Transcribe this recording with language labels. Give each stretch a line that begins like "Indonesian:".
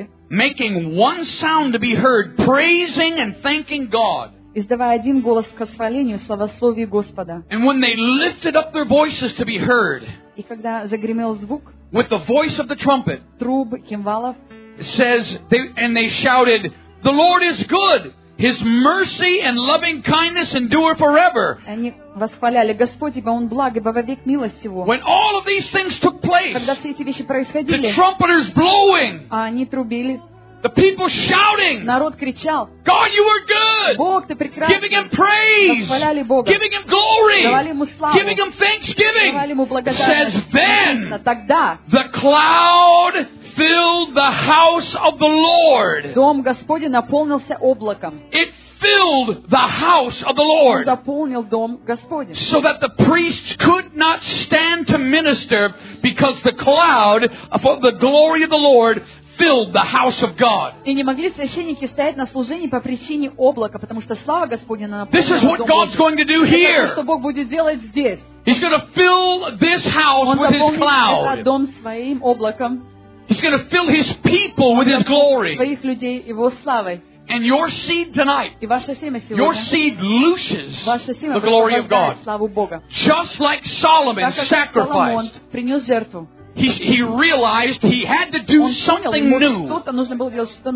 English: Making one sound to be heard, praising and thanking God.
Russian: Издавая один голос к восхвалению, славословию Господа.
English: And when they lifted up their voices to be heard,
Russian: и когда загремел звук,
English: with the voice of the trumpet,
Russian: труб, кимвалов,
English: says they, and they shouted, "The Lord is good; His mercy and loving kindness endure forever."
Russian: Они восхваляли Господь, ибо Он благ, ибо вовек милость Его.
English: When all of these things took place,
Russian: когда все эти вещи происходили,
English: the trumpeters blowing,
Russian: а они трубили.
English: The people shouting.
Russian: Народ кричал.
English: God, you are good.
Russian: Бог, ты прекрасен.
English: Giving him praise.
Russian: Восхваляли Бога.
English: Giving him glory.
Russian: Давали ему славу.
English: Giving him thanksgiving.
Russian: Давали ему благодарность.
English: Says then.
Russian: Тогда.
English: The cloud filled the house of the Lord.
Russian: Дом Господень наполнился облаком.
English: It filled the house of the Lord.
Russian: Он заполнил дом Господень.
English: So that the priests could not stand to minister because the cloud of the glory of the Lord filled the house of God.
Russian: И не могли священники стоять на служении по причине облака, потому что слава Господня наполнила.
English: This is what God's going to do here.
Russian: Что Бог будет делать здесь?
English: He's going to fill this house with His cloud.
Russian: Он заполнит этот дом своим облаком.
English: He's going to fill His people with His glory.
Russian: Своих людей Его славой.
English: And your seed tonight, your seed loses the glory of God. Just like Solomon sacrificed. He realized he had to do something new.